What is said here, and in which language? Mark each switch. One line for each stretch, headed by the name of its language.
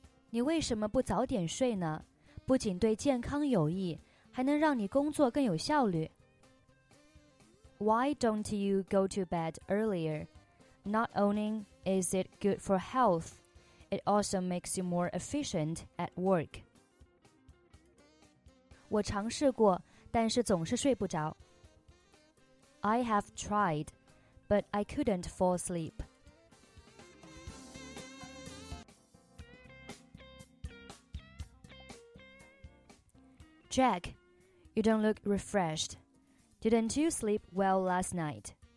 Chinese: 你为什么不早点睡呢？不仅对健康有益，还能让你工作更有效率。
English: Why don't you go to bed earlier? Not only is it good for health, it also makes you more efficient at work.
Chinese: 我尝试过，但是总是睡不着。
English: I have tried, but I couldn't fall asleep. Jack, you don't look refreshed. Didn't you sleep well last night?